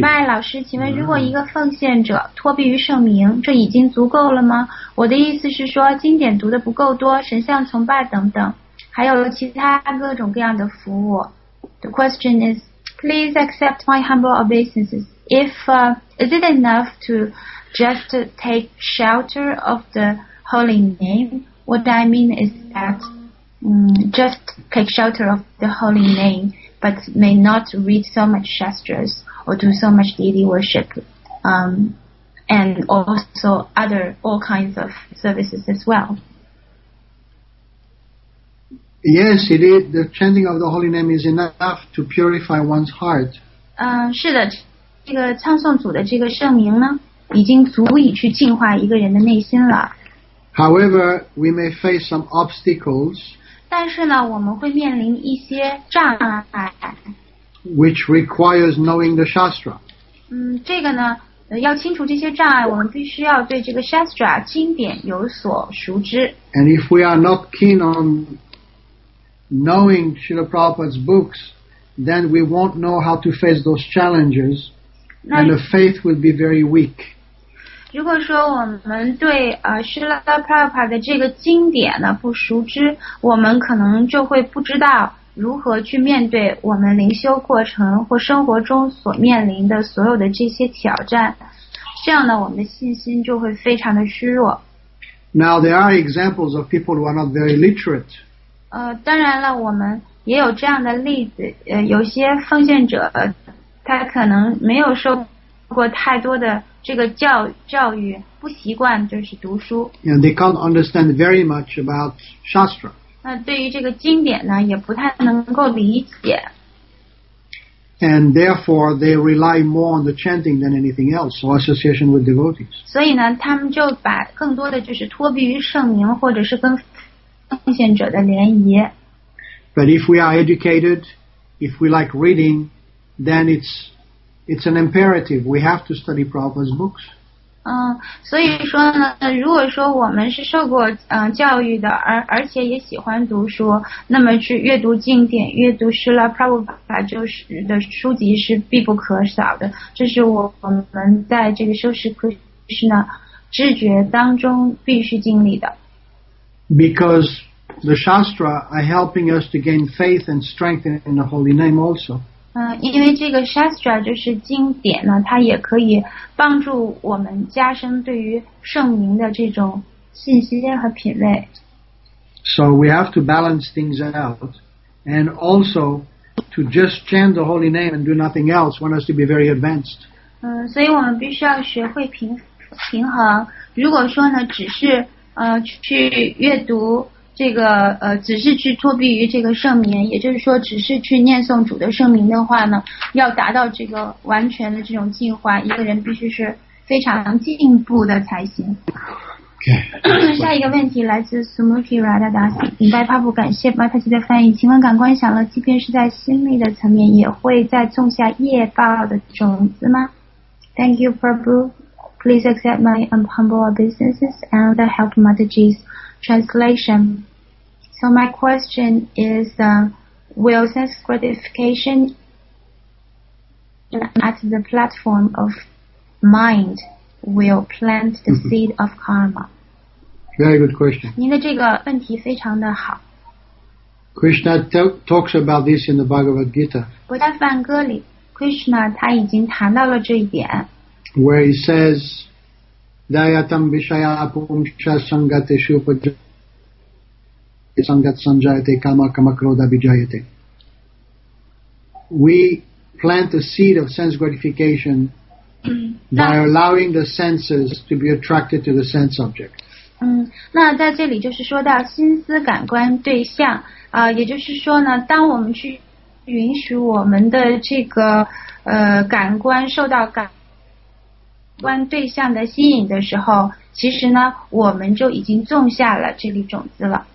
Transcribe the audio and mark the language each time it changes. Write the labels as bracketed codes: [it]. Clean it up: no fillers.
[zh] 白老师，请问如果一个奉献者脱壁于圣名，这已经足够了吗？我的意思是说，经典读的不够多，神像崇拜等等，还有其他各种各样的服务。 [en] The question is, please accept my humble obeisances. If is it enough to just take shelter of the holy name? What I mean is that, just take shelter of the holy name. But may not read so much shastras or do so much deity worship, and also other all kinds of services as well. Yes, it is. The chanting of the holy name is enough to purify one's heart. [zh] 是的，这个唱诵组的这个圣名呢，已经足以去净化一个人的内心了。 [en] However, we may face some obstacles. [zh] 但是呢，我们会面临一些障碍 [en] ，which requires knowing the shastra。 [zh] 这个呢，要清除这些障碍，我们必须要对这个 shastra 经典有所熟知。 [en] And if we are not keen on knowing Srila Prabhupada's books, then we won't know how to face those challenges, and the faith will be very weak. [zh] 如果说我们对Srila Prabhupada的这个经典呢不熟知，我们可能就会不知道如何去面对我们灵修过程或生活中所面临的所有的这些挑战，这样呢我们的信心就会非常的虚弱。 [en] Now there are examples of people who are not very literate. [zh] 当然了，我们也有这样的例子，有些奉献者他可能没有受过太多的。这个教育不习惯就是读书。 [en] And they can't understand very much about shastra. [zh] 那对于这个经典呢，也不太能够理解。 [en] And therefore, they rely more on the chanting than anything else, or association with devotees. [zh] 所以呢，他们就把更多的就是托庇于圣名，或者是跟奉献者的联谊。 [en] But if we are educated, if we like reading, then it's an imperative. We have to study Prabhupada's books. [zh] 所以说呢，如果说我们是受过教育的，而且也喜欢读书，那么去阅读经典，阅读师了 Prabhupada 就是的书籍是必不可少的。这是我们在这个修持科室呢知觉当中必须经历的。 [en] Because the Shastra are helping us to gain faith and strength in the holy name also. [zh] 因为这个 Shastra 就是经典呢，它也可以帮助我们加深对于圣名的这种信息和品味。 [en] So we have to balance things out, and also to just chant the holy name and do nothing else want us to be very advanced. [zh] 所以我们必须要学会平衡。如果说呢，只是去阅读这个只是去托庇于这个圣名，也就是说只是去念诵主的圣名的话呢，要达到这个完全的这种净化，一个人必须是非常进步的才行。 [en] Okay. [zh] 下一个问题来自 Sumuti Radadasi， 明白帕布，感谢麦帕奇的翻译。请问感官享乐即便是在心力的层面，也会在种下业报的种子吗？ [en] Thank you Prabhu, please accept my humble obeisances and the help of Mataji'sTranslation. So my question is, will sense gratification at the platform of mind will plant the seed of karma? Very good question. [zh] 您的这个问题非常的好。 [en] Krishna talks about this in the Bhagavad Gita. [zh] 不但梵歌里 ,Krishna 他已经谈到了这一点。 [en] Where he says, [sa] Dayatam Vishaya Apumcha Sangate Shupaja. Sangat Sanjayate Kama Kamakroda Vijayate. [en] We plant the seed of sense gratification by allowing the senses to be attracted to the sense object. [zh] 那在这里就是说到心思感官对象，也就是说呢，当我们去允许我们的这个感官受到感官对象的吸引的时候，其实呢，我们就已经种下了这粒种子了。